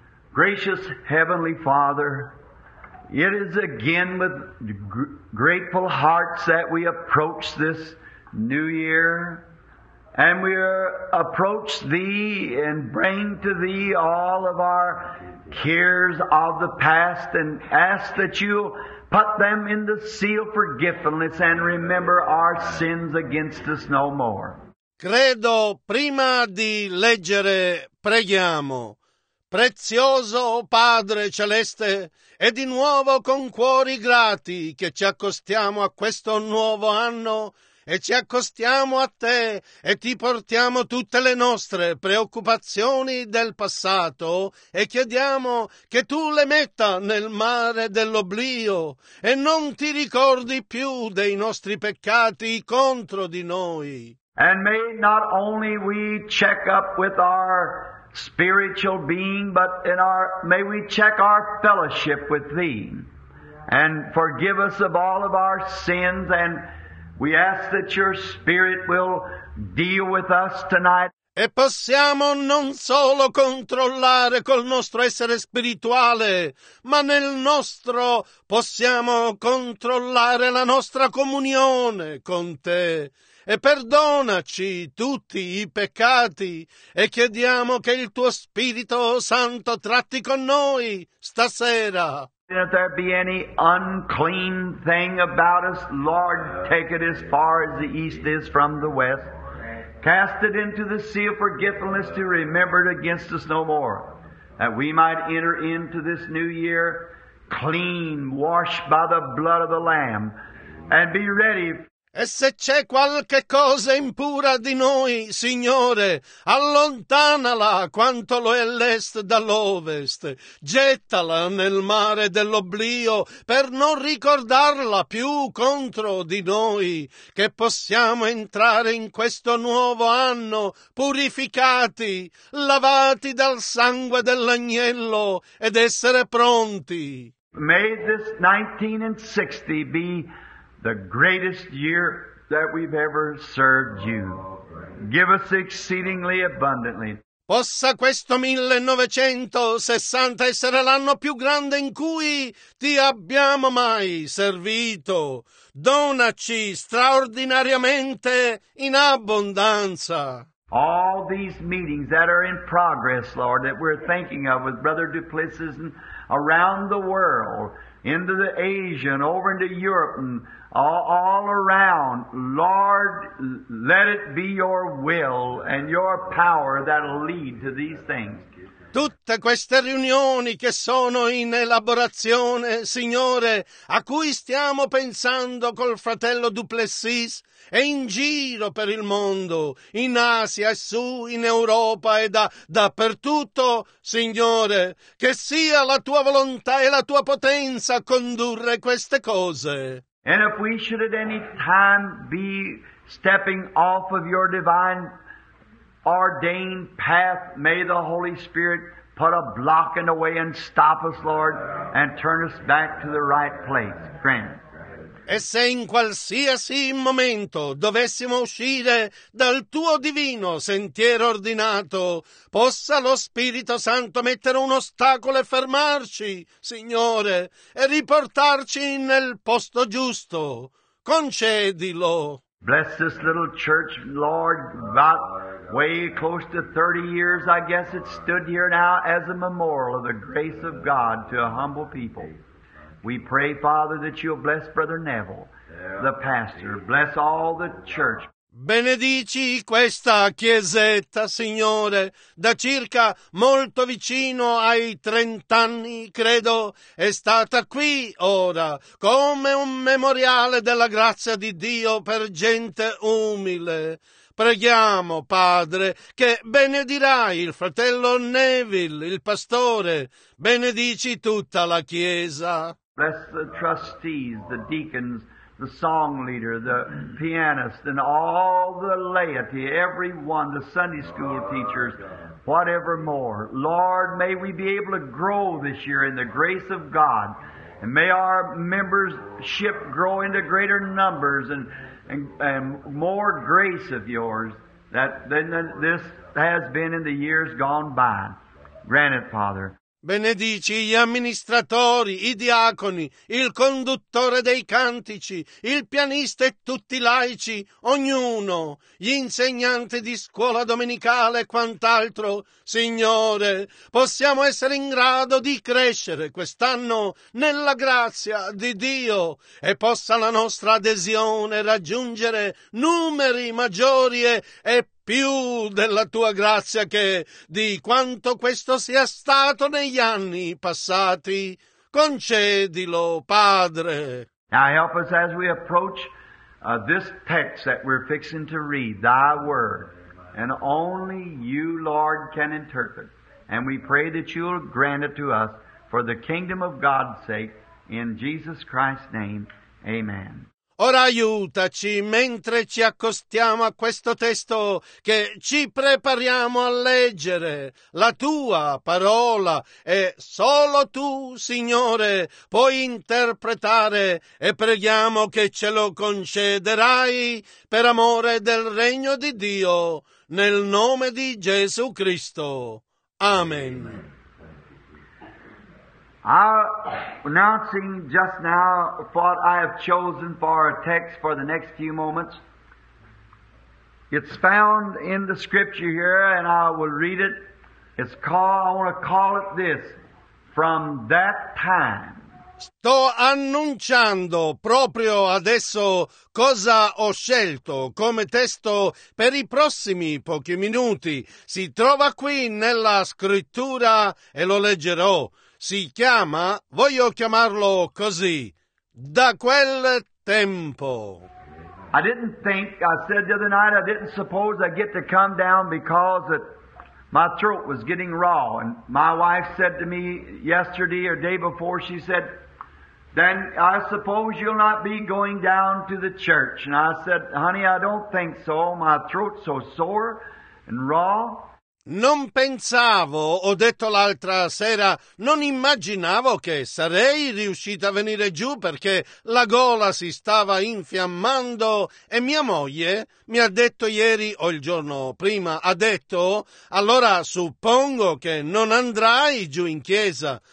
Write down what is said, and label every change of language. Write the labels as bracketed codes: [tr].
[en] Gracious Heavenly Father, it is again with grateful hearts that we approach this new year, and we approach Thee and bring to Thee all of our cares of the past and ask that You'll put them in the seal of forgiveness and remember our sins against us no more. [it] Credo, prima di leggere, preghiamo. Prezioso Padre Celeste, e di nuovo con cuori grati che ci accostiamo a questo nuovo anno e ci accostiamo a Te e Ti portiamo tutte le nostre preoccupazioni del passato e chiediamo che Tu le metta nel mare dell'oblio e non Ti ricordi più dei nostri peccati contro di noi. [en] And may not only we check up with our spiritual being, but in our, may we check our fellowship with Thee and forgive us of all of our sins, and we ask that Your Spirit will deal with us tonight. [it] E possiamo non solo controllare col nostro essere spirituale, ma nel nostro possiamo controllare la nostra comunione con Te. E perdonaci tutti i peccati e chiediamo che il Tuo Spirito Santo tratti con noi stasera. [en] If there be any unclean thing about us, Lord, take it as far as the east is from the west. Cast it into the sea of forgetfulness to remember it against us no more, that we might enter into this new year clean, washed by the blood of the Lamb, and be ready. [it] E se c'è qualche cosa impura di noi, Signore, allontanala quanto lo è l'est dall'ovest, gettala nel mare dell'oblio per non ricordarla più contro di noi, che possiamo entrare in questo nuovo anno purificati, lavati dal sangue dell'agnello ed essere pronti. [en] May this 1960 be the greatest year that we've ever served you. Give us exceedingly abundantly. [it] Possa questo 1960 essere l'anno più grande in cui ti abbiamo mai servito. Donaci straordinariamente in abbondanza. [en] All these meetings that are in progress, Lord, that we're thinking of with Brother Duplessis and around the world, into the Asia and over into Europe and all around. Lord, let it be your will and your power that'll lead to these things. [it] Tutte queste riunioni che sono in elaborazione, Signore, a cui stiamo pensando col fratello Duplessis, e in giro per il mondo, in Asia e su, in Europa e dappertutto, Signore, che sia la Tua volontà e la Tua potenza a condurre queste cose. [en] And if we should at any time be stepping off of your divine ordained path, may the Holy Spirit put a block in the way and stop us, Lord, and turn us back to the right place, friend. [it] E se in qualsiasi momento dovessimo uscire dal tuo divino sentiero ordinato, possa lo Spirito Santo mettere un ostacolo e fermarci, Signore, e riportarci nel posto giusto. Concedilo. [en] Bless this little church, Lord, about way close to 30 years, I guess, it stood here now as a memorial of the grace of God to a humble people. We pray, Father, that you'll bless Brother Neville, the pastor. Bless all the church. [it] Benedici questa chiesetta, Signore, da circa molto vicino ai 30 anni, credo, è stata qui ora, come un memoriale della grazia di Dio per gente umile. Preghiamo, Padre, che benedirai il fratello Neville, il pastore. Benedici tutta la Chiesa. [en] Bless the trustees, the deacons, the song leader, the pianist, and all the laity, everyone, the Sunday school teachers, whatever more. Lord, may we be able to grow this year in the grace of God, and may our membership grow into greater numbers and more grace of yours than this has been in the years gone by. Grant it, Father. [it] Benedici gli amministratori, i diaconi, il conduttore dei cantici, il pianista e tutti i laici, ognuno, gli insegnanti di scuola domenicale e quant'altro. Signore, possiamo essere in grado di crescere quest'anno nella grazia di Dio e possa la nostra adesione raggiungere numeri maggiori e più della tua grazia che di quanto questo sia stato negli anni passati. Concedilo, Padre. [en] Now help us as we approach this text that we're fixing to read, thy word, and only you, Lord, can interpret. And we pray that you'll grant it to us for the kingdom of God's sake, in Jesus Christ's name, amen. [it] Ora aiutaci mentre ci accostiamo a questo testo che ci prepariamo a leggere. La tua parola è solo tu, Signore, puoi interpretare e preghiamo che ce lo concederai per amore del regno di Dio, nel nome di Gesù Cristo. Amen. [en] Announcing just now what I have chosen for a text for the next few moments. It's found in the scripture here, and I will read it. I want to call it this, from that time. [it] Sto annunciando proprio adesso cosa ho scelto come testo per i prossimi pochi minuti. Si trova qui nella scrittura e lo leggerò. Si chiama, voglio chiamarlo così, da quel tempo. [en] I didn't think, I said the other night, I didn't suppose I'd get to come down because it, my throat was getting raw. And my wife said to me yesterday or day before, she said, "Dan, I suppose you'll not be going down to the church." And I said, "Honey, I don't think so. My throat's so sore and raw." [it] "Non pensavo," ho detto l'altra sera, "non immaginavo che sarei riuscita a venire giù perché la gola si stava infiammando e mia moglie mi ha detto ieri o il giorno prima, ha detto, allora suppongo che non andrai giù in chiesa."